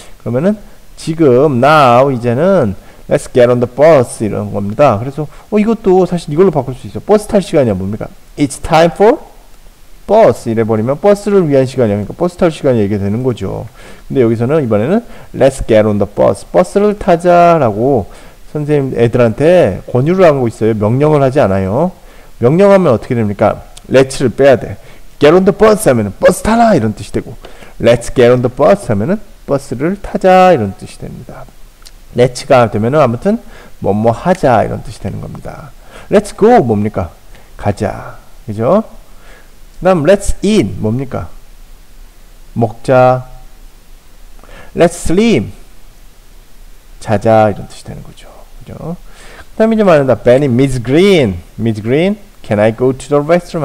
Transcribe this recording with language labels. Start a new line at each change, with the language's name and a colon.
Korean: 그러면은 지금
English: now 이제는 Let's get on the bus
Korean: 이런 겁니다. 그래서 이것도 사실 이걸로 바꿀 수 있어. 버스 탈 시간이야 뭡니까?
English: It's time for bus
Korean: 이래버리면 버스를 위한 시간이니까 버스 탈 시간이 얘기가 되는 거죠. 근데 여기서는 이번에는
English: Let's get on the bus.
Korean: 버스를 타자라고 선생님 애들한테 권유를 하고 있어요. 명령을 하지 않아요. 명령하면 어떻게 됩니까? Let's를 빼야 돼.
English: Get on the bus
Korean: 하면은 버스 타라 이런 뜻이 되고
English: Let's get on the bus
Korean: 하면은 버스를 타자 이런 뜻이 됩니다. Let's가 되면은 아무튼 뭐뭐 하자 이런 뜻이 되는 겁니다.
English: Let's go
Korean: 뭡니까? 가자. 그죠? 다음
English: Let's eat
Korean: 뭡니까? 먹자.
English: Let's sleep
Korean: 자자 이런 뜻이 되는 거죠. 그죠? 그다음 이제 말한다.
English: Benny, Miss Green, Miss Green, Can I go to the restroom?